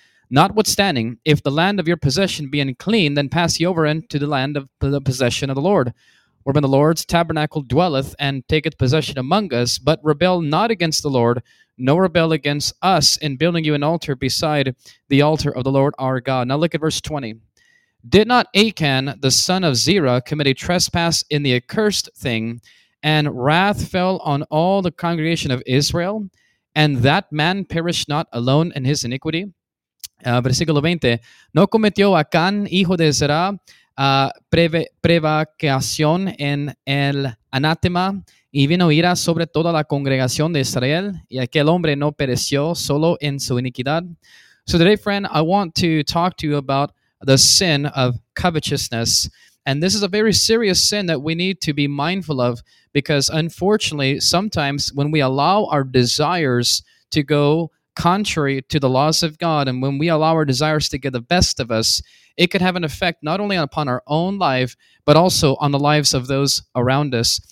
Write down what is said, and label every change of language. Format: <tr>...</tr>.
<en>Notwithstanding, if the land of your possession be unclean, then pass ye over into the land of the possession of the Lord, wherein the Lord's tabernacle dwelleth, and taketh possession among us, but rebel not against the Lord, nor rebel against us in building you an altar beside the altar of the Lord our God. Now look at verse 20. Did not Achan, the son of Zerah, commit a trespass in the accursed thing, and wrath fell on all the congregation of Israel, and that man perished not alone in his iniquity?</en> <es>Versículo 20. ¿No cometió Acán, hijo de Zerá, prevaricación en el anatema, y vino ira sobre toda la congregación de Israel, y aquel hombre no pereció solo en su iniquidad?</es> <en>So today, friend, I want to talk to you about the sin of covetousness. And this is a very serious sin that we need to be mindful of, because unfortunately, sometimes when we allow our desires to go contrary to the laws of God, and when we allow our desires to get the best of us, it could have an effect not only upon our own life, but also on the lives of those around us.</en>